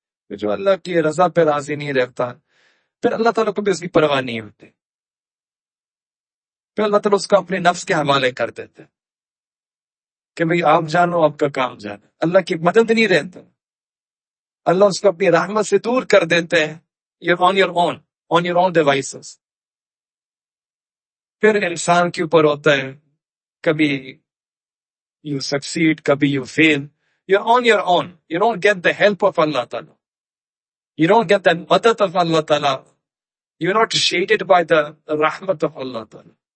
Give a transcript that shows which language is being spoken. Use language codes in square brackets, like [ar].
[ur] جو اللہ کی رضا پہ راضی نہیں رہتا, پھر اللہ تعالیٰ کو بھی اس کی پرواہ نہیں ہوتی, پھر اللہ تعالیٰ اس کو اپنے نفس کے حوالے کر دیتے کہ بھئی آپ جانو آپ کا کام جانو, اللہ کی مدد نہیں رہتا, اللہ اس کو اپنی رحمت سے دور کر دیتے ہیں. [en] You're on your own, on your own devices. [ur] پھر انسان کے اوپر ہوتا ہے, کبھی [en] you succeed [ur] کبھی [en] You fail, you on your own, you don't get the help of Allah Taala, you don't get the madad of Allah Taala, you not shaded by the rehmat of Allah Taala.